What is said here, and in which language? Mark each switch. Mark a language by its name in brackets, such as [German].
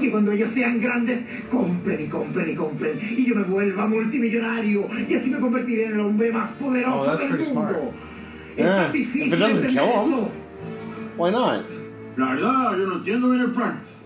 [Spanish] Y cuando ellos sean grandes, compren y compren y compren. Y yo me vuelva multimillonario. Y así me convertiré en el hombre más poderoso del mundo. [English] Oh, that's pretty smart. Yeah, if it doesn't kill him, why not? [Spanish] La verdad, yo no entiendo bien el plan.